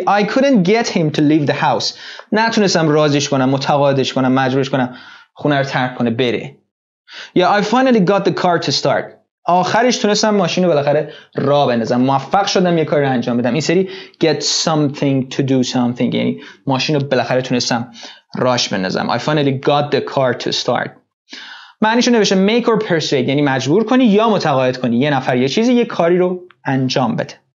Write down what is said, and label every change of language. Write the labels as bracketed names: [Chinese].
[English] I couldn't get him to leave the house. [Persian] نتونستم راضیش کنم، متقاعدش کنم، مجبورش کنم خونه رو ترک کنه بره. یا [English] yeah, I finally got the car to start. [Persian] آخرش تونستم ماشین رو بالاخره راه بندازم، موفق شدم یه کاری انجام بدم. این سری get something to do something، یعنی ماشین رو بالاخره تونستم راش بندازم. [English] I finally got the car to start. [Persian] معنیشو نوشته make or persuade، یعنی مجبور کنی یا متقاعد کنی یه نفر یه چیزی یه کاری رو انجام بده.